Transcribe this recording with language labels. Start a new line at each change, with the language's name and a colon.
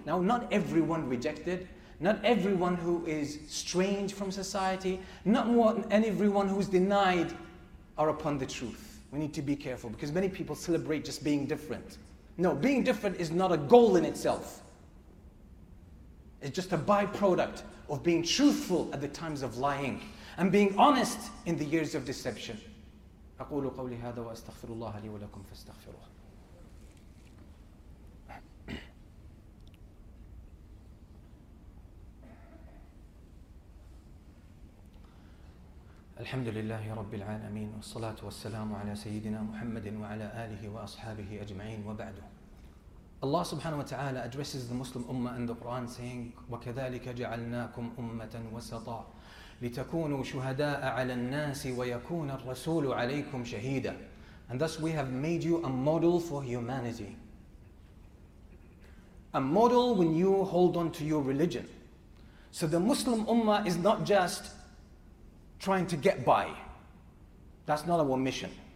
English: Now, not everyone rejected. Not everyone who is strange from society, not everyone who is denied are upon the truth. We need to be careful because many people celebrate just being different. No, being different is not a goal in itself. It's just a byproduct of being truthful at the times of lying and being honest in the years of deception.
Arabic: أقول قولي هذا وأستغفر الله لي ولكم فاستغفروه. الحمد لله رب العالمين والصلاة والسلام على سيدنا محمد وعلى آله وأصحابه أجمعين وبعد. الله سبحانه وتعالى
English: addresses the Muslim
Arabic: أمة
English: in the Quran saying
Arabic: وكذلك جعلناكم أمة وسطا لتكونوا شهداء على الناس ويكون الرسول عليكم شهيدا.
English: And thus we have made you a model for humanity. A model when you hold on to your religion. So the Muslim Ummah is not just trying to get by. That's not our mission.